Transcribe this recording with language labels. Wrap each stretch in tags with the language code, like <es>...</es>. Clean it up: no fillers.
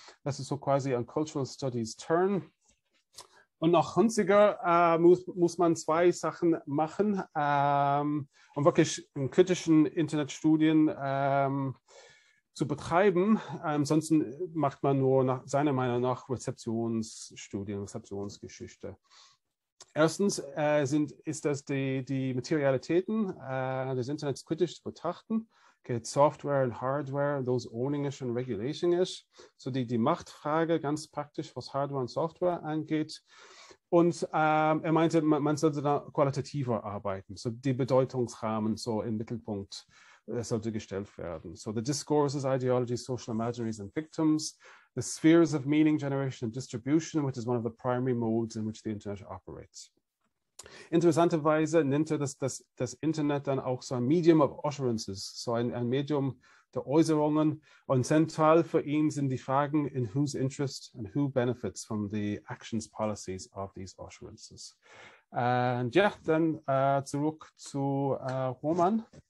<de>Das ist so quasi ein Cultural Studies Turn. Und nach Hunziker muss man zwei Sachen machen, um wirklich einen kritischen Internetstudien zu betreiben. Ansonsten macht man nur nach seiner Meinung nach Rezeptionsstudien, Rezeptionsgeschichte. Erstens ist das die Materialitäten des Internets kritisch zu betrachten.</de> <en>Okay, Software und Hardware, those owning it and regulating it.</en> <de>So die Machtfrage ganz praktisch, was Hardware und Software angeht. Und er meinte, man sollte da qualitativer arbeiten. So die Bedeutungsrahmen so im Mittelpunkt sollte gestellt werden.</de> <en>So the discourses, ideologies, social imaginaries and victims. The spheres of meaning generation and distribution, which is one of the primary modes in which the Internet operates.</en> <de>Interessanterweise nennt er das Internet dann auch so ein</de> <en>Medium of Utterances,</en> <de>so ein Medium der Äußerungen. Und zentral für ihn sind die Fragen,</de> <en>in whose interest and who benefits from the actions, policies of these utterances.</en> <de>Und ja, yeah, dann zurück zu Roman.</de>